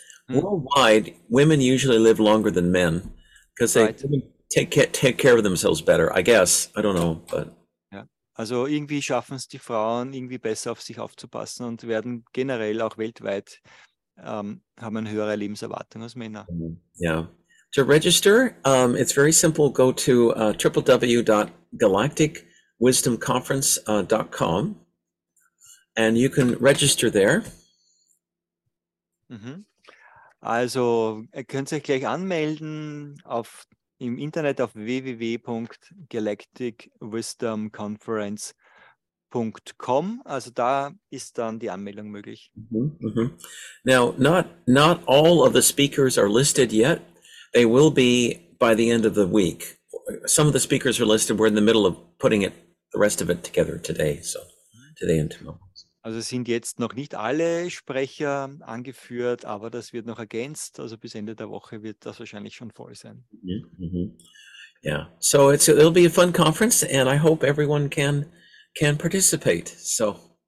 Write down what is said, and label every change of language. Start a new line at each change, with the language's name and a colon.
English: Worldwide, women usually live longer than men because they take care of themselves better, I guess. I don't know, but
German: also irgendwie schaffen es die Frauen irgendwie besser auf sich aufzupassen und werden generell auch weltweit haben eine höhere Lebenserwartung als Männer.
English: Yeah. To register, it's very simple. Go to www.galacticwisdomconference.com and you can register there. Mm-hmm.
German: Also, ihr könnt euch gleich anmelden auf im Internet auf www.galacticwisdomconference.com. Also da ist dann die Anmeldung möglich. Mm-hmm.
English: Now, not all of the speakers are listed yet. They will be by the end of the week. Some of the speakers are listed. We're in the middle of putting it, the rest of it together today. So today and tomorrow.
German: Also sind jetzt noch nicht alle Sprecher angeführt, aber das wird noch ergänzt. Also bis Ende der Woche wird das wahrscheinlich schon voll sein.
English: Mm-hmm. Yeah. So it'll be a fun conference and I hope everyone can participate. So.